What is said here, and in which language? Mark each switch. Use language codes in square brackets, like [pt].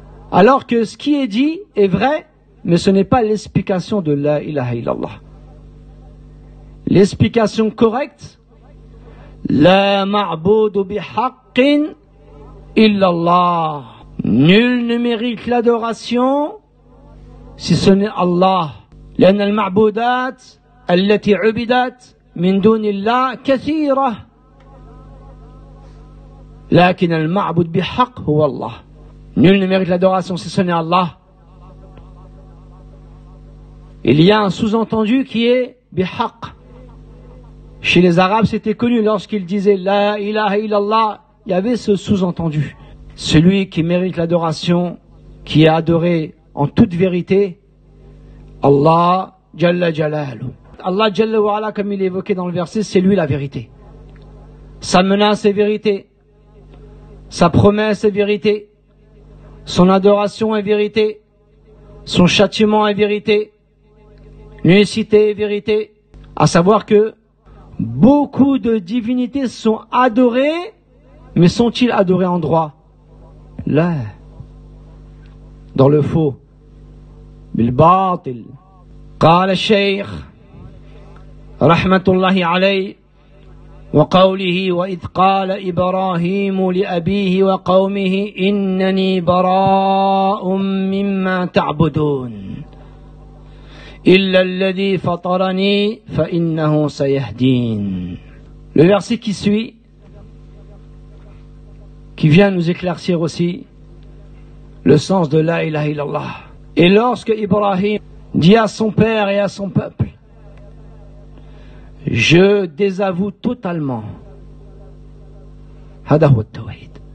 [fr] Alors que ce qui est dit est vrai, mais ce n'est pas l'explication de la ilaha illallah. L'explication correcte, [ar] la ma'boudu bihaqqin illallah. [fr] Nul ne mérite l'adoration si ce n'est Allah. [ar] لأن المعبودات التي عبدت من دون الله كثيرة لكن المعبود بحق هو الله. [fr] Nul ne mérite l'adoration si ce n'est Allah. Il y a un sous-entendu qui est بحق. Chez les Arabes, c'était connu lorsqu'ils disaient La ilaha illallah, il y avait ce sous-entendu. Celui qui mérite l'adoration, qui est adoré en toute vérité, Allah Jalla Jalalu. Allah Jalla wa Ala, comme il est évoqué dans le verset, c'est lui la vérité. Sa menace est vérité. Sa promesse est vérité. Son adoration est vérité. Son châtiment est vérité. L'unicité est vérité. À savoir que beaucoup de divinités sont adorées, mais sont-ils adorés en droit ? Là, dans le faux, [ar] بالباطل قال الشيخ rahmatullahi alayhi, وقوله وإذ قال إبراهيم لأبيه وقومه إنني براء مما تعبدون إلا الذي فطرني فإنه سيهدين. [fr] Le verset qui suit, qui vient nous éclaircir aussi le sens de la ilaha illallah. Et lorsque Ibrahim dit à son père et à son peuple, je désavoue totalement. [ar] Hada huwa at-tawhid.